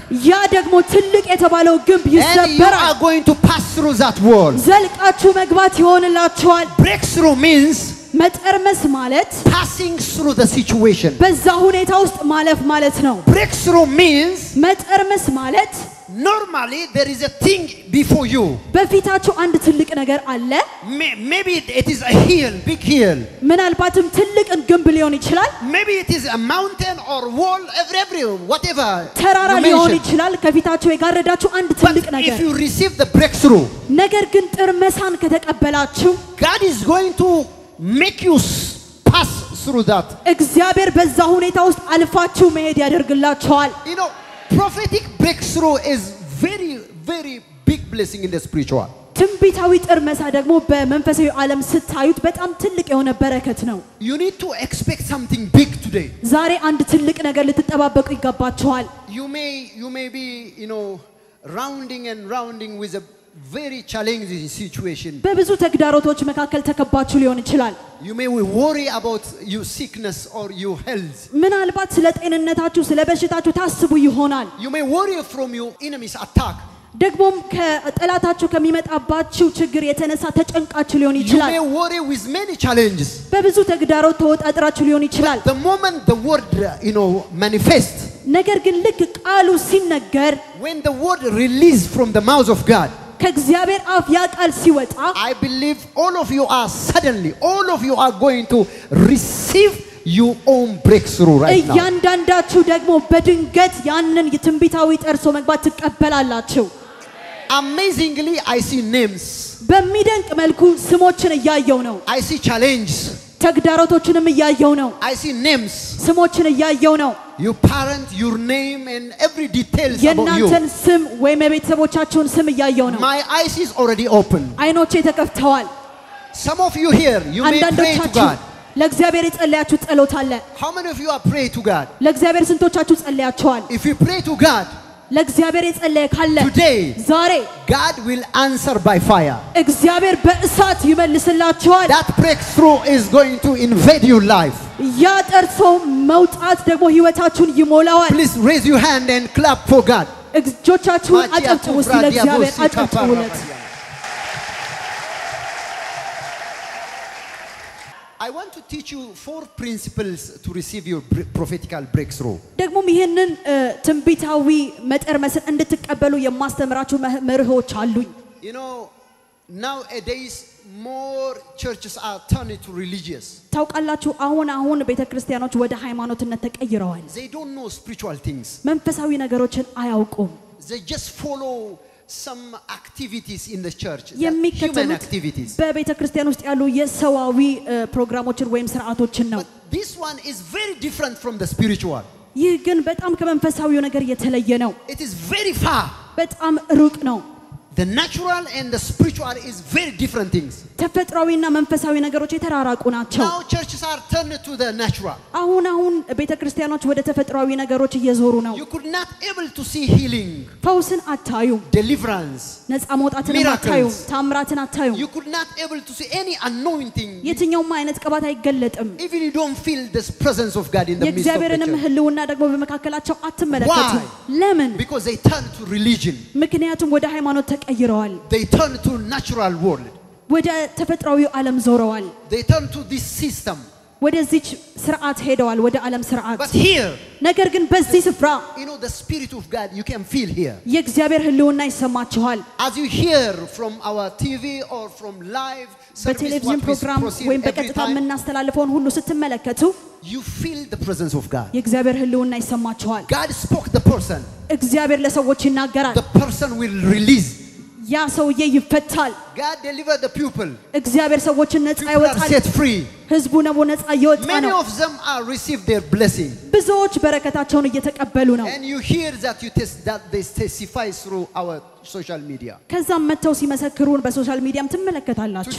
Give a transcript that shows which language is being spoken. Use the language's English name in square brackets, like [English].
[Amharic] ያ ደግሞ ትልቅ የተባለው ግንብ ይሰበራል [English] and you are going to pass through that wall [Amharic] ዘልቃችሁ መግባት ይሆንላችኋል [English] breakthrough means [Amharic] መጠርመስ ማለት [English] passing through the situation [Amharic] በዛ ሁኔታ ውስጥ ማለፍ ማለት ነው [English] breakthrough means [Amharic] መጠርመስ ማለት [English] Normally there is a thing before you. [Amharic] በፊታችሁ አንድ ትልቅ ነገር አለ. [English] Maybe it is a hill, big hill. [Amharic] ምናልባትም ትልቅ ግንብ ሊሆን ይችላል. [English] Maybe it is a mountain or wall, every whatever. [Amharic] ተራራ ሊሆን ይችላል. ከፊታችሁ የጋረዳችሁ አንድ ትልቅ ነገር. [English] But if you receive the breakthrough, [Amharic] ነገር ግን ጥርመሳን ከተቀበላችሁ, [English] God is going to make you pass through that. [Amharic] እግዚአብሔር በዛ ሁኔታ ውስጥ አልፋችሁ መሄድ ያደርግላችኋል. [English] You know prophetic breakthrough is very very big blessing in the spiritual [Amharic] ትንቢታዊ ጥርመሳ ደግሞ በመንፈሳዊ ዓለም ስታዩት በጣም ትልቅ የሆነ በረከት ነው [English] you need to expect something big today [Amharic] ዛሬ አንድ ትልቅ ነገር ልትጠባበቁ ይገባችኋል [English] you may be you know rounding and rounding with a very challenging situation [Amharic] በብዙ ተግዳሮቶች መካከል ተከባችሁ ሊሆን ይችላል [English] you may worry about your sickness or your health [Amharic] ምናልባት ስለ ጤንነታችሁ ስለ በሽታችሁ ታስቡ ይሆናል [English] you may worry from your enemy's attack [Amharic] ደግሞም ከጠላታችሁ ከመጣባችሁ ችግር የተነሳ ተጨንቃችሁ ሊሆን ይችላል [English] you may worry with many challenges [Amharic] በብዙ ተግዳሮት ተወጣጥራችሁ ሊሆን ይችላል [English] the moment the word you know manifest [Amharic] ነገር ግን ልክ ቃሉ ሲነገር [English] when the word release from the mouth of god [Amharic] ከእግዚአብሔር አፍ ያ ቃል ሲወጣ [English] I believe all of you are suddenly all of you are going to receive your own breakthrough right now [Amharic] እያንዳንዳችሁ ደግሞ በድንገት ያንን የትንቢታዊ ጠርሶ መግባት ትቀበላላችሁ [English] Amazingly I see names [Amharic] በሚደንቅ መልኩ ስሞችን እያየው ነው [English] I see challenges [Amharic] ተግዳሮቶችንም እያየው ነው [English] I see names [Amharic] ስሞችን እያየው ነው [English] your parent your name and every details about you [Amharic] የናንተን ስም ወይም የቤተሰቦቻችሁን ስም እያየው ነው [English] my eyes is already open [Amharic] አይኖቼ ተከፍተዋል [English] some of you here you may pray to god [Amharic] ለእግዚአብሔር ጸልያችሁ ጸሎት አለ [English] how many of you are pray to god [Amharic] ለእግዚአብሔር ስንቶቻችሁ ጸልያችኋል [English] if you pray to god [Amharic] ለእግዚአብሔር ጸልየ ካለ [English] today [Amharic] ዛሬ [English] god will answer by fire [Amharic] እግዚአብሔር በእሳት ይመልስላችኋል [English] that breakthrough is going to invade your life [Amharic] ያ ጠርሶ መውጣት ደግሞ ህይወታችሁን ይሞላዋል [English] please raise your hand and clap for god [Amharic] እግዚአብሔር አጥብቆ ለእግዚአብሔር አጥብቆለት [English] I want to teach you four principles to receive your prophetical breakthrough. [Amharic] ደግሞ ይሄንን ትንቢታዊ መጠርመስን እንድትቀበሉ የማስተምራችሁ መርሆች አሉኝ። [English] You know nowadays more churches are turning to religious. [Amharic] ታውቃላችሁ አሁን ቤተክርስቲያኖች ወደ ሃይማኖትነት ተቀይረዋል። [English] They don't know spiritual things. [Amharic] መንፈሳዊ ነገሮችን አያውቁም። [English] They just follow some activities in the church human activities [Amharic] በቤተ ክርስቲያን ውስጥ ያሉ የሰዋዊ ፕሮግራሞችን ወይም ስርዓቶችን ነው [English] this one is very different from the spiritual [Amharic] ይህ ግን በጣም ከመንፈሳዊው ነገር የተለየ ነው [English] it is very far [Amharic] በጣም ሩቅ ነው [English] the natural and the spiritual is very different things [Amharic] ተፈጥሯዊ እና መንፈሳዊ ነገሮች የተራራቁ ናቸው [English] now churches are turned to the natural [Amharic] አሁን ቤተ ክርስቲያኖች ወደ ተፈጥሯዊ ነገሮች እየዞሩ ነው [English] you could not able to see healing [Amharic] ፈውስን አታዩ [English] deliverance [Amharic] ነጻ መውጣትን አታዩ ታምራትን አታዩ [English] you could not able to see any anointing [Amharic] የትኛውም አይነት ቅባት አይገለጥም [English] even you don't feel the presence of god in the midst [Amharic] የእግዚአብሔርንም ህልውና ደግሞ በመካከላቸው አትመለከቱ ለምን [English] because they turn to religion [Amharic] ምክንያቱም ወደ ሃይማኖት ተቀይረዋል [English] they turn to natural world [Amharic] ወደ ተፈጥሯዊው ዓለም ዞረዋል [English] they turn to this system [Amharic] ወደዚች ስርዓት ሄደዋል ወደ ዓለም ስርዓት [English] but here [Amharic] ነገር ግን በዚህ ስፍራ [English] you know the spirit of god you can feel here [Amharic] የእግዚአብሔር ህልውና ይሰማችኋል [English] as you hear from our tv or from live [Amharic] በቴሌቪዥን ፕሮግራም ወይም በቀጥታ የምናስተላልፈውን ሁሉ ስትመለከቱ [English] you feel the presence of god [Amharic] የእግዚአብሔር ህልውና ይሰማችኋል [English] god spoke the person [Amharic] እግዚአብሔር ለሰዎች ይናገራል [English] the person will release [Amharic] ያ ሰውዬ ይፈታል። [English] God deliver the people. [Amharic] እግዚአብሔር ሰዎችን ነጻ ያወጣል። [English] Set free. [Amharic] ህዝቡ ነው ነጻ ያወጣ ነው። [English] Many of them are receive their blessing. [Amharic] ብዙዎች በረከታቸውን እየተቀበሉ ነው። [English] And you hear that you test that they testify through our social media. [Amharic] ከዛም መተው ሲመሰክሩን በሶሻል ሚዲያም ትመለከታላችሁ።